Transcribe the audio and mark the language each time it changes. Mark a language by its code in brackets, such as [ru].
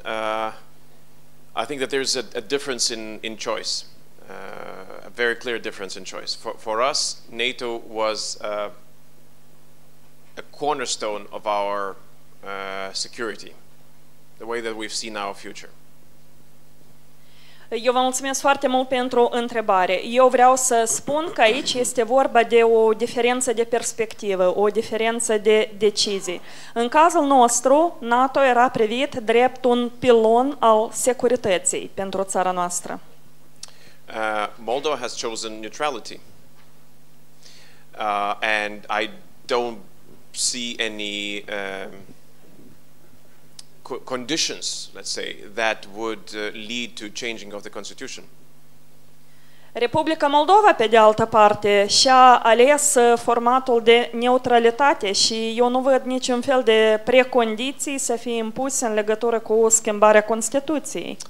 [en] I think that there's a difference in choice, a very clear difference in choice. For us, NATO was a cornerstone of our security, the way that we've seen our future. [ro] Eu vă mulțumesc foarte mult pentru întrebare. Eu vreau să spun că aici este vorba de o diferență de perspectivă, o diferență de decizii. În cazul nostru, NATO era privit drept un pilon al securității pentru țara noastră. [en] Moldova has chosen neutrality. And I don't see any conditions, let's say, that would lead to changing of the constitution. [ro] Republica Moldova, pe de altă parte, și-a ales formatul de neutralitate și eu nu văd niciun fel de precondiții să fie impuse în legătură cu schimbarea constituției.